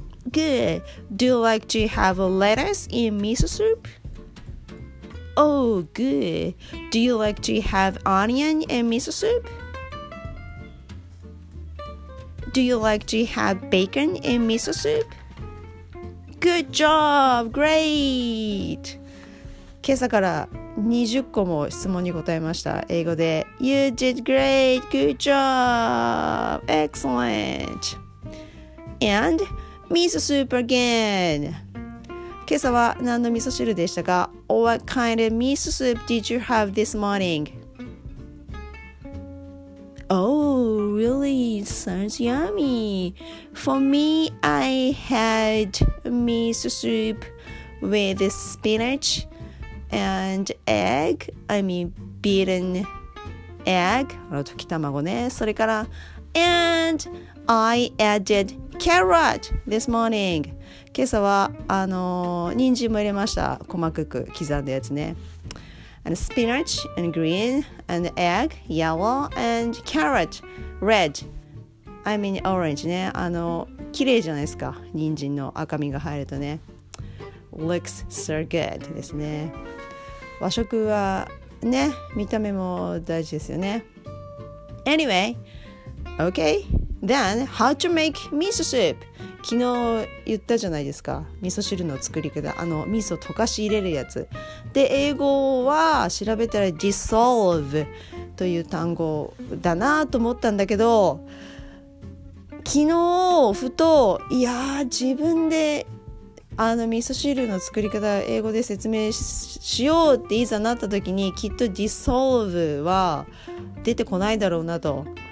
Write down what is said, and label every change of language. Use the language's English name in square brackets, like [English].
[English] Good. Do you like to have lettuce in miso soup? Oh, good. Do you like to have onion in miso soup? Do you like to have bacon in miso soup? Good job! Great! [Japanese] 今朝から20個も質問に答えました。英語で。 [English] You did great! Good job! Excellent! And... Miso soup again. [Japanese] 今朝は何の味噌汁でしたか? [English] What kind of miso soup did you have this morning? Oh, really? Sounds yummy. For me, I had miso soup with spinach and egg. I mean, beaten egg. [Japanese] 溶き卵ね。それから [English] And I addedCarrot this morning. [Japanese] 今朝は人参も入れました。細かく刻んだやつね。 [English] And spinach and green and egg yellow and carrot red. I mean orange ね。 [Japanese] 綺麗じゃないですか、人参の赤みが入るとね。 [English] Looks so good [Japanese] ですね。和食はね、見た目も大事ですよね。 [English] Anyway, okay, then how to make miso soup? [Japanese] 昨日言ったじゃないですか、味噌汁の作り方、あの味噌溶かし入れるやつで、英語は調べたら dissolve という単語だなと思ったんだけど、昨日ふと、いや自分であの味噌汁の作り方英語で説明 しようっていざなった時に、きっと dissolve は出てこないだろうなと。